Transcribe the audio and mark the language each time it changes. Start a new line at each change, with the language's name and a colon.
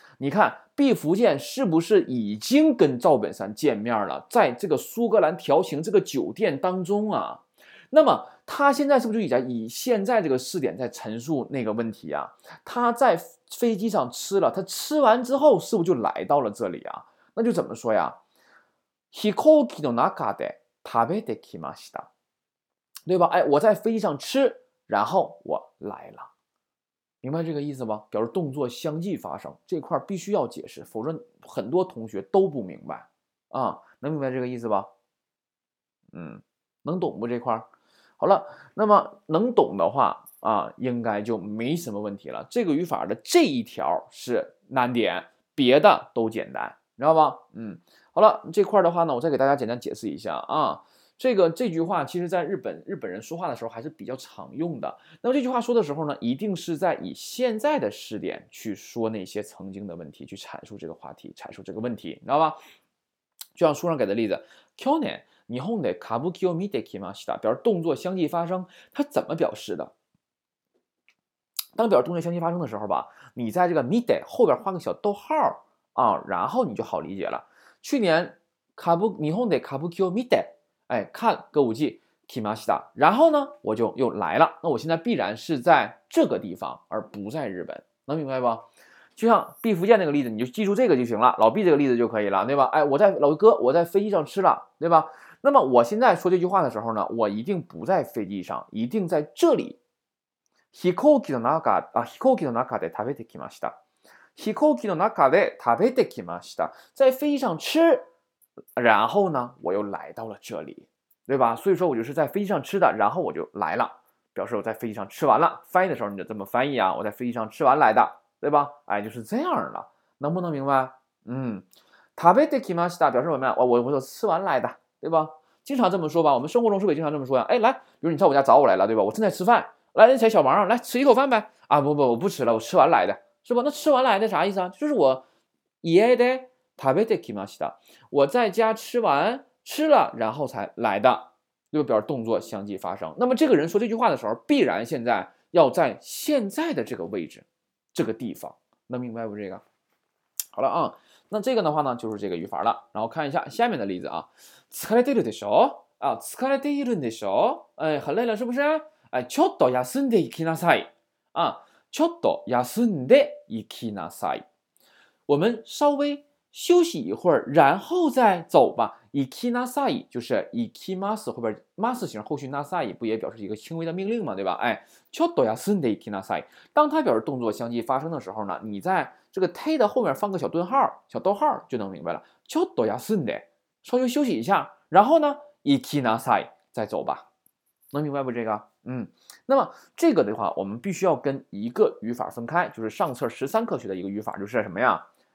Chinese: 你看，毕福剑是不是已经跟赵本山见面了？在这个苏格兰调情这个酒店当中啊，那么他现在是不是就以现在这个视点在陈述那个问题啊？他在飞机上吃了，他吃完之后是不是就来到了这里啊？那就怎么说呀？
Japanese: 飛行機の中で食べてきました，
Chinese: 对吧？哎，我在飞机上吃，然后我来了。明白这个意思吗？表示动作相继发生，这块必须要解释，否则很多同学都不明白啊。能明白这个意思吧？嗯，能懂不这块？好了，那么能懂的话啊，应该就没什么问题了。这个语法的这一条是难点，别的都简单，你知道吧？嗯，好了，这块的话呢，我再给大家简单解释一下啊。这句话其实在日本人说话的时候还是比较常用的。那么这句话说的时候呢，一定是在以现在的视点去说那些曾经的问题，去阐述这个话题，阐述这个问题，你知道吧？就像书上给的例子，
Japanese: 去年日本で歌舞伎を見てきました，
Chinese: 表示动作相继发生，它怎么表示的？当表示动作相继发生的时候吧，你在这个見て后边画个小逗号啊，然后你就好理解了。
Japanese: 去年日本で歌舞伎を見て，
Chinese: 哎，看歌舞伎，
Japanese: 来ました。
Chinese: 然后呢，我就又来了。那我现在必然是在这个地方，而不在日本。能明白不？就像毕福剑那个例子，你就记住这个就行了。老毕这个例子就可以了，对吧？哎，我在老哥，我在飞机上吃了，对吧？那么我现在说这句话的时候呢，我一定不在飞机上，一定在这里。
Japanese: 飛行機の中啊，飛行機の中で食べてきました。飛行機の中で食べてきました。
Chinese: 在飞机上吃。然后呢，我又来到了这里，对吧？所以说我就是在飞机上吃的，然后我就来了，表示我在飞机上吃完了。翻译的时候你就这么翻译啊，我在飞机上吃完来的，对吧？哎，就是这样了，能不能明白？嗯，
Japanese: 食べてきました，
Chinese: 表示什么呀？我吃完来的，对吧？经常这么说吧，我们生活中是不是经常这么说呀？哎，来，比如你在我家找我来了，对吧？我正在吃饭，来，你小王，来吃一口饭呗？啊，不，我不吃了，我吃完来的，是吧？那吃完来的啥意思啊？就是我爷的。
Japanese: 食べてきました，
Chinese: 我在家吃完吃了，然后才来的，就表示动作相继发生。那么这个人说这句话的时候，必然现在要在现在的这个位置，这个地方，能明白不？这个好了啊，那这个的话呢，就是这个语法了。然后看一下下面的例子啊，
Japanese: 疲れているでしょ？
Chinese: 啊，疲れているでしょ？哎，很累了是不是？
Japanese: 哎，ちょっと休んでいきなさい。啊，ちょっと休んでいきなさい。
Chinese: 我们稍微。休息一会儿，然后再走吧。行きなさい，就是行きます后边ます形后续なさい，不也表示一个轻微的命令嘛，对吧？
Japanese: 哎，ちょっと休んで行きなさい。
Chinese: 当它表示动作相继发生的时候呢，你在这个て的后面放个小顿号、小逗号就能明白了。
Japanese: ちょっと休んで，
Chinese: 稍微休息一下，然后呢，行きなさい，再走吧。能明白不？这个，嗯，那么这个的话，我们必须要跟一个语法分开，就是上册十三课学的一个语法，就是什么呀？